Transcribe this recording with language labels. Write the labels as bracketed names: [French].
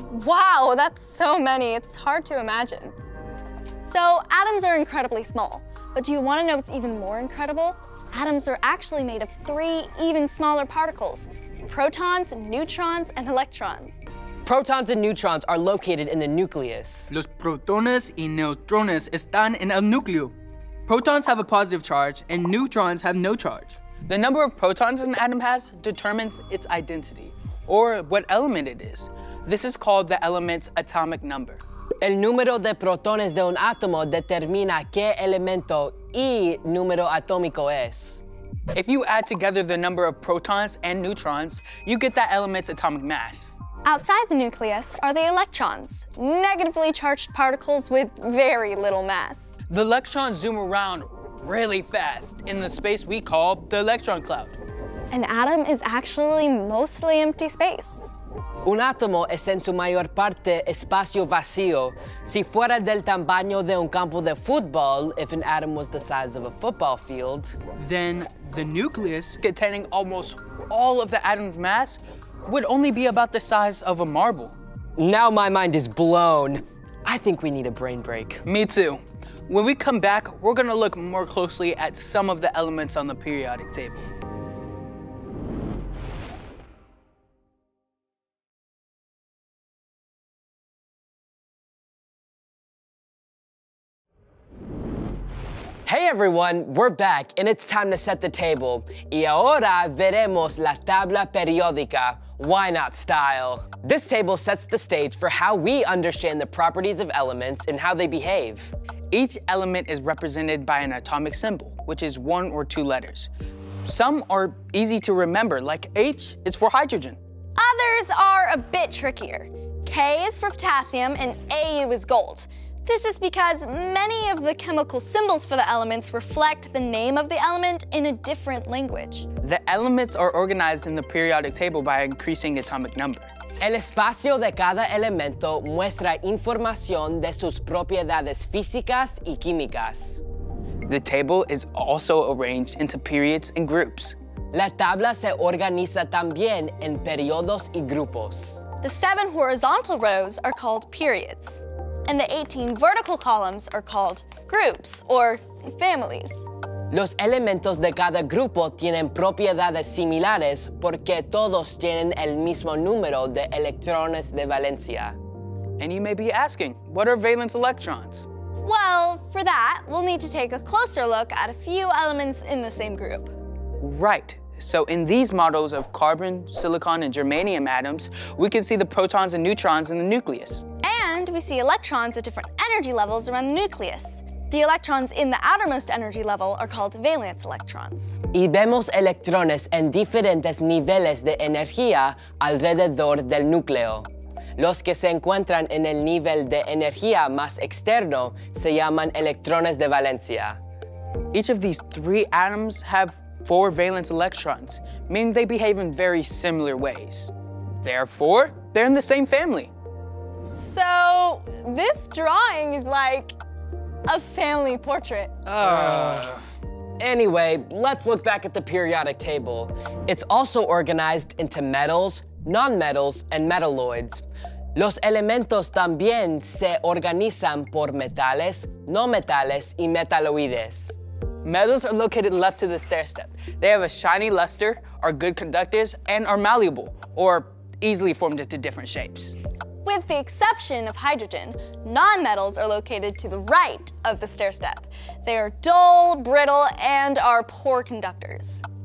[English] Wow, that's so many. It's hard to imagine. So atoms are incredibly small, but do you want to know what's even more incredible? Atoms are actually made of three even smaller particles, protons, neutrons, and electrons. Protons and neutrons are located in the nucleus. [Spanish] Los protones y neutrones están en el núcleo. [English] Protons have a positive charge and neutrons have no charge. The number of protons an atom has determines its identity or what element it is. This is called the element's atomic number. [Spanish] El número de protones de un átomo determina qué elemento y número atómico es. [English] If you add together the number of protons and neutrons, you get that element's atomic mass. Outside the nucleus are the electrons, negatively charged particles with very little mass. The electrons zoom around really fast in the space we call the electron cloud. An atom is actually mostly empty space. [Spanish] Un átomo es en su mayor parte espacio vacío. Si fuera del tamaño de un campo de fútbol, [English] if an atom was the size of a football field, then the nucleus, containing almost all of the atom's mass, would only be about the size of a marble. Now my mind is blown. I think we need a brain break. Me too. When we come back, we're gonna look more closely at some of the elements on the periodic table. Hey, Hey everyone, we're back and it's time to set the table. [Spanish] Y ahora veremos la tabla periódica, Whynauts style. [English] This table sets the stage for how we understand the properties of elements and how they behave. Each element is represented by an atomic symbol, which is one or two letters. Some are easy to remember, like H is for hydrogen. Others are a bit trickier. K is for potassium and Au is gold. This is because many of the chemical symbols for the elements reflect the name of the element in a different language. The elements are organized in the periodic table by increasing atomic number. [Spanish] El espacio de cada elemento muestra información de sus propiedades físicas y químicas. [English] The table is also arranged into periods and groups. [Spanish] La tabla se organiza también en periodos y grupos. [English] The 7 horizontal rows are called periods, and the 18 vertical columns are called groups, or families. [Spanish] Los elementos de cada grupo tienen propiedades similares porque todos tienen el mismo número de electrones de valencia. [English] And you may be asking, what are valence electrons? Well, for that, we'll need to take a closer look at a few elements in the same group. Right. So in these models of carbon, silicon, and germanium atoms, we can see the protons and neutrons in the nucleus. And we see electrons at different energy levels around the nucleus. The electrons in the outermost energy level are called valence electrons. [Spanish] Y vemos electrones en diferentes niveles de energía alrededor del núcleo. Los que se encuentran en el nivel de energía más externo se llaman electrones de valencia. [English] Each of these 3 atoms have 4 valence electrons, meaning they behave in very similar ways. Therefore, they're in the same family. So, this drawing is like a family portrait. Anyway, let's look back at the periodic table. It's also organized into metals, nonmetals, and metalloids. [Spanish] Los elementos también se organizan por metales, no metales, y metaloides. [English] Metals are located left to the stair step. They have a shiny luster, are good conductors, and are malleable, or easily formed into different shapes. With the exception of hydrogen, nonmetals are located to the right of the stair step. They are dull, brittle, and are poor conductors.